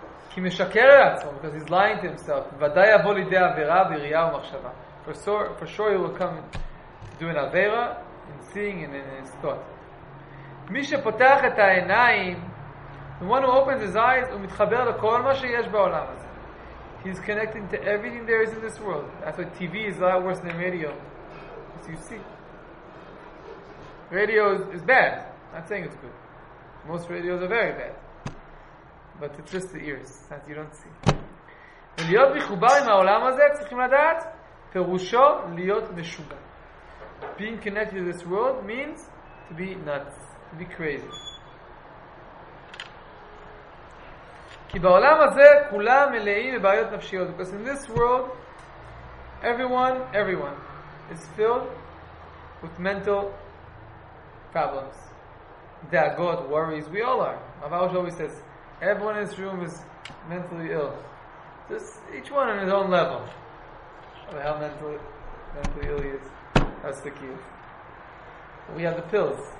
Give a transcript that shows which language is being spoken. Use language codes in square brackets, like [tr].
[he] כי משקר לעצמו, [en] because he's lying to himself. [he] ודאי יבוא לידי עבירה, בראייה ומחשבה. [en] For sure he will come to do an avera in seeing and in his thought. [he] מי שפותח את העיניים, [en] the one who opens his eyes, [he] הוא מתחבר לכל מה שיש בעולם הזה. [en] He's connecting to everything there is in this world. That's why TV is a lot worse than radio. As you see. Radio is bad. I'm not saying it's good. Most radios are very bad. But it's just the ears that you don't see. [he] ולהיות מחובר עם העולם הזה, צריכים לדעת, פירושו להיות משוגע. [en] Being connected to this world means to be nuts, to be crazy. [he] כי בעולם הזה כולם מלאים בבעיות נפשיות. [en] Because in this world, everyone is filled with mental problems. דאגות, worries, we all are. Rav Arush always says, everyone in this room is mentally ill. Just each one on his own level. How mentally ill he is. That's the key. We have the pills.